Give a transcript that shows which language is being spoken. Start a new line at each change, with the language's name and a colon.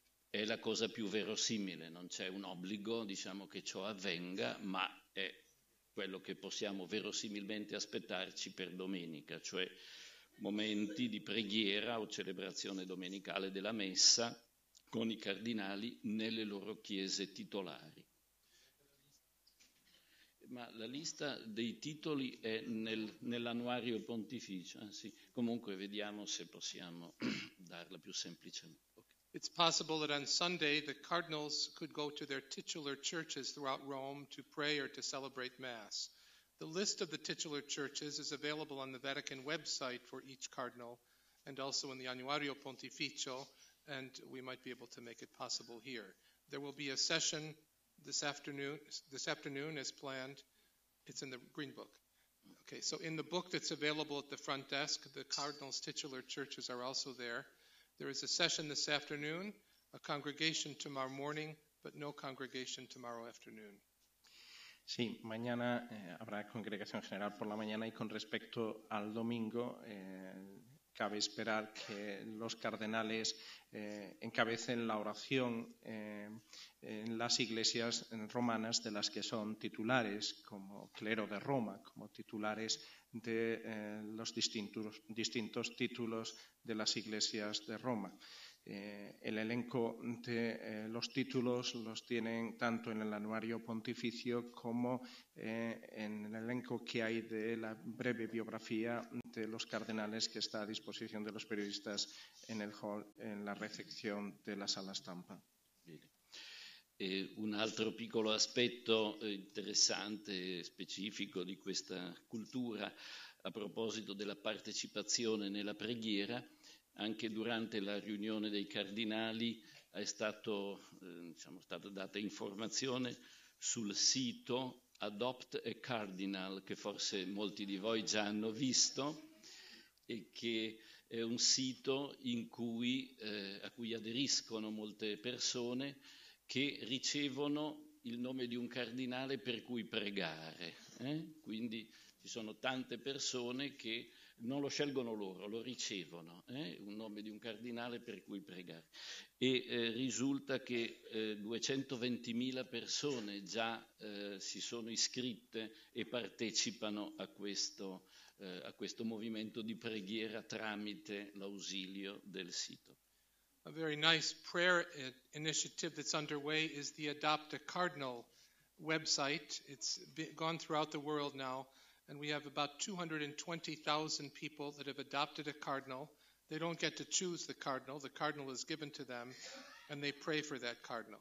Italian: È la cosa più verosimile, non c'è un obbligo, diciamo, che ciò avvenga, ma è quello che possiamo verosimilmente aspettarci per domenica, cioè momenti di preghiera o celebrazione domenicale della messa con i cardinali nelle loro chiese titolari. Ma la lista dei titoli è nell'annuario pontificio, anzi, comunque vediamo se possiamo darla più semplicemente.
English: Okay. It's possible that on Sunday the cardinals could go to their titular churches throughout Rome to pray or to celebrate Mass. The list of the titular churches is available on the Vatican website for each cardinal and also in the Annuario Pontificio, and we might be able to make it possible here. There will be a session this afternoon as planned. It's in the green book. Okay, so in the book that's available at the front desk, the cardinals' titular churches are also there. There is a session this afternoon, a congregation tomorrow morning, but no congregation tomorrow afternoon.
Spanish: Sí, mañana habrá congregación general por la mañana y con respecto al domingo, cabe esperar que los cardenales encabecen la oración en las iglesias romanas de las que son titulares, como clero de Roma, como titulares de los distintos títulos de las iglesias de Roma. El elenco de los títulos los tienen tanto en el anuario pontificio como en el elenco que hay de la breve biografía de los cardenales que está a disposición de los periodistas en el hall, en la recepción de la sala estampa.
Italian: Un altro piccolo aspetto interessante, specifico di questa cultura, a proposito della partecipazione nella preghiera, anche durante la riunione dei cardinali è stato, stata data informazione sul sito Adopt a Cardinal, che forse molti di voi già hanno visto, e che è un sito in cui, a cui aderiscono molte persone che ricevono il nome di un cardinale per cui pregare. Quindi ci sono tante persone che non lo scelgono loro, lo ricevono, un nome di un cardinale per cui pregare. E risulta che 220.000 persone già si sono iscritte e partecipano a questo movimento di preghiera tramite l'ausilio del sito.
English: A very nice prayer initiative that's underway is the Adopt a Cardinal website. It's gone throughout the world now, and we have about 220,000 people that have adopted a cardinal. They don't get to choose the cardinal is given to them, and they pray for that cardinal.